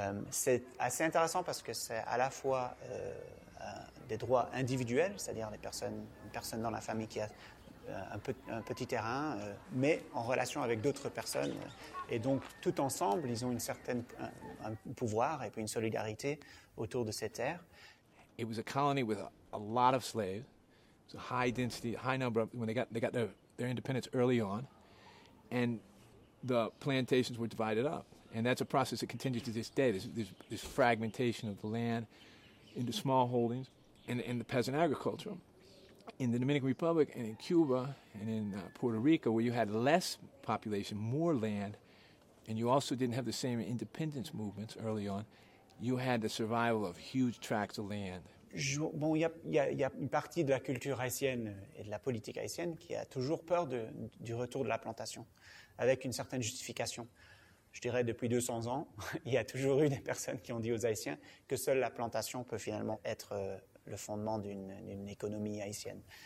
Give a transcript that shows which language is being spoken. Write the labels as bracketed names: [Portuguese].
[French] C'est assez intéressant parce que c'est à la fois des droits individuels, c'est-à-dire les personnes, une personne dans la famille qui a un petit terrain, mais en relation avec d'autres personnes. Et donc, tout ensemble, ils ont une certaine, un pouvoir et puis une solidarité autour de ces terres. [English] It was a colony with a lot of slaves. It was a high density, high number of, when they got their independence early on, and the plantations were divided up. And that's a process that continues to this day. This fragmentation of the land into small holdings and the peasant agriculture. In the Dominican Republic and in Cuba and in Puerto Rico, where you had less population, more land, and you also didn't have the same independence movements early on, you had the survival of huge tracts of land. [French] Bon, il y a une partie de la culture haïtienne et de la politique haïtienne qui a toujours peur du retour de la plantation, avec une certaine justification. Je dirais depuis 200 ans, il y a toujours eu des personnes qui ont dit aux Haïtiens que seule la plantation peut finalement être le fondement d'une économie haïtienne.